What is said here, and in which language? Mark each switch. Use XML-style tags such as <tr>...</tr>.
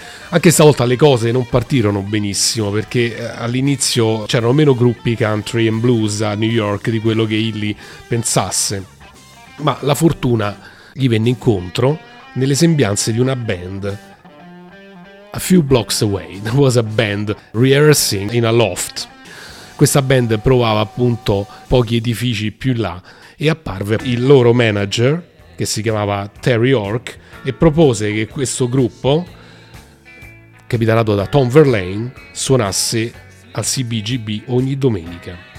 <it>Anche stavolta le cose non partirono benissimo, perché all'inizio c'erano meno gruppi country and blues a New York di quello che Haley pensasse. Ma la fortuna gli venne incontro nelle sembianze di una band</it> <en>a few blocks away. There was a band rehearsing in a loft.</en> <it>Questa band provava appunto pochi edifici più là e apparve il loro manager, che si chiamava Terry Ork, e propose che questo gruppo, capitanato da Tom Verlaine, suonasse al CBGB ogni domenica.</it>